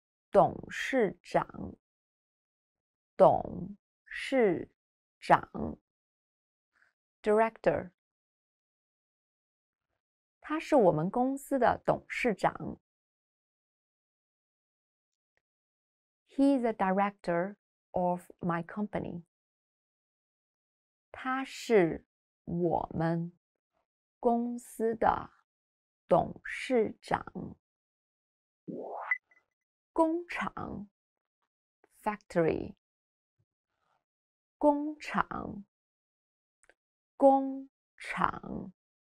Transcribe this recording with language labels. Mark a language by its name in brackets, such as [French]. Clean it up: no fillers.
[Chinese] 董事长董事长 [English] Director [Chinese] 他是我们公司的董事长 [English] He's the director of my company [Chinese] 他是我们公司的董事长工厂 [English] Factory [Chinese] 工厂工厂